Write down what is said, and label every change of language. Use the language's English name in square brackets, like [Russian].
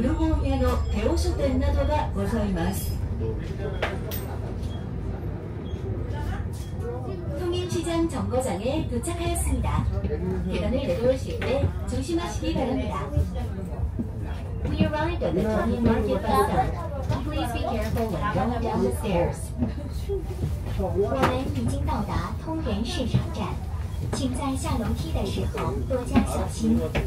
[Japanese] お弁当カフェがございます。近くにはパクノス家屋を改造したパクノス美術館、セジョン大王が生まれたセジョン・マウン、そして長い歴史を持つ古本屋のテオ書店などがございます。 [Korean] 통인시장 정거장에 도착하였습니다. 계단을 내려오실 때 조심하시기 바랍니다. [English] We arrived at the Tongin Market Plaza. Please be careful when going down the stairs. [Chinese] 我们已经到达通源市场站，请在下楼梯的时候多加小心。